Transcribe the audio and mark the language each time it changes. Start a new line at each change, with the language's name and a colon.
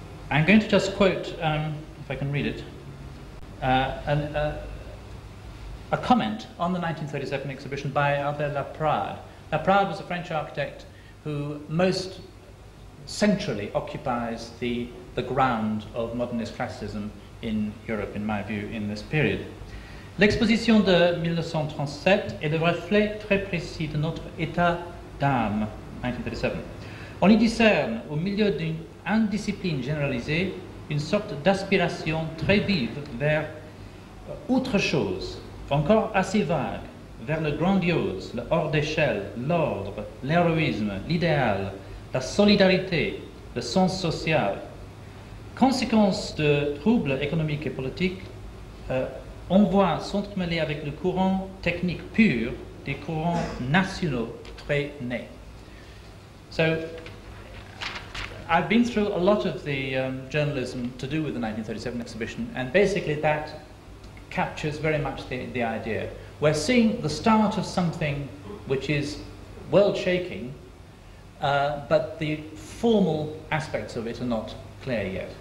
English: I'm going to just quote, if I can read it, a comment on the 1937 exhibition by Albert Laprade. Laprade was a French architect who most centrally occupies the ground of modernist classicism in Europe, in my view, in this period.
French: L'exposition de 1937 est le reflet très précis de notre état d'âme, 1937. On y discerne, au milieu d'une indiscipline généralisée, une sorte d'aspiration très vive vers autre chose, encore assez vague, vers le grandiose, le hors d'échelle, l'ordre, l'héroïsme, l'idéal, la solidarité, le sens social. Conséquence de troubles économiques et politiques, on voit s'entremêler avec le courant technique pur des courants nationaux très nés.
English: So, I've been through a lot of the journalism to do with the 1937 exhibition, and basically that captures very much the idea. We're seeing the start of something which is world-shaking, but the formal aspects of it are not clear yet.